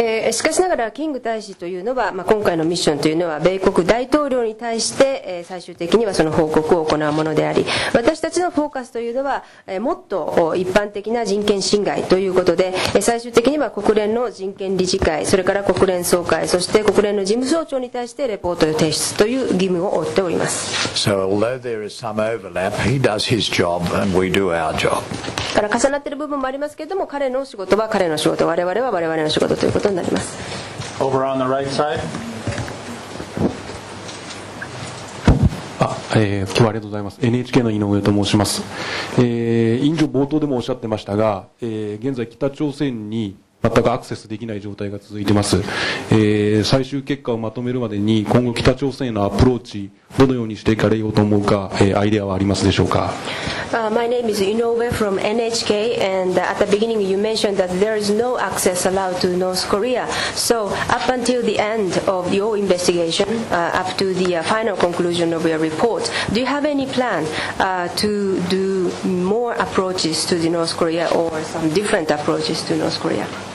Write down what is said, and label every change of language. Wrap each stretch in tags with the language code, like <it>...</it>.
<ja>しかしながらキング大使というのは、まあ、今回のミッションというのは米国大統領に対して、最終的にはその報告を行うものであり、私たちのフォーカスというのは、もっと一般的な人権侵害ということで、最終的には国連の人権理事会、それから国連総会、そして国連の事務総長に対してレポートを提出という義務を負っております。</ja> <en>So although there is some overlap, he does his job and we do our job.</en> <ja>から重なっている部分もありますけれども、彼の仕事は彼の仕事、我々は我々の仕事ということ。</ja> <en>Over on the right side.</en> <ja>ありがとうございます。NHK の井上と申します。委員長冒頭でもおっしゃってましたが、現在北朝鮮に全くアクセスできない状態が続いています。最終結果をまとめるまでに今後北朝鮮へのアプローチどのようにしていかれようと思うか、アイデアはありますでしょうか。</ja> <en>My name is Inoue from NHK, and at the beginning you mentioned that there is no access allowed to North Korea. So up until the end of your investigation, up to the final conclusion of your report, do you have any plan to do more approaches to the North Korea or some different approaches to North Korea?</en>